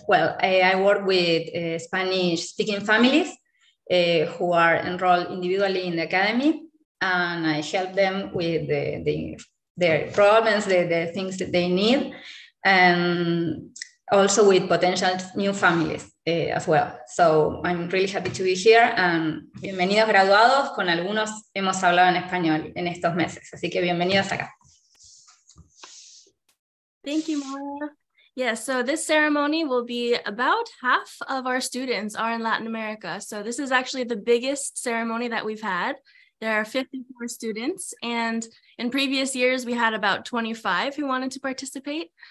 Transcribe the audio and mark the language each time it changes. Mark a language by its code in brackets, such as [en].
[en] Well, I work with Spanish speaking families who are enrolled individually in the academy, and I help them with their problems, the things that they need, and also with potential new families as well. So I'm really happy to be here, and [es] bienvenidos graduados. Con algunos hemos hablado en español en estos meses, así que bienvenidos acá. [en] Thank you, Mara. Yeah, so this ceremony will be about half of our students are in Latin America. So this is actually the biggest ceremony that we've had. There are 54 students, and in previous years, we had about 25 who wanted to participate.